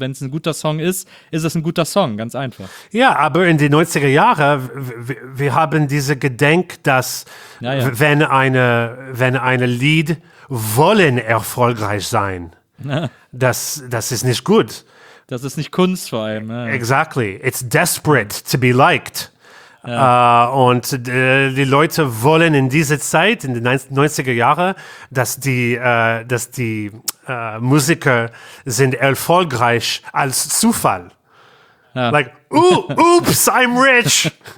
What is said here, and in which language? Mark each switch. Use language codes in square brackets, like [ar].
[de] Wenn es ein guter Song ist, ist es ein guter Song, ganz einfach. Ja, aber in den 90er Jahren, wir haben diese Gedenk, dass wenn eine Lied wollen erfolgreich sein, das ist nicht gut. Das ist nicht Kunst vor allem. Ja. [en] Exactly. It's desperate to be liked. [de] Ja. Und die Leute wollen in dieser Zeit, in den 90er Jahren, dass die Musiker sind erfolgreich als Zufall. Ja. [en] Like, oops, I'm rich.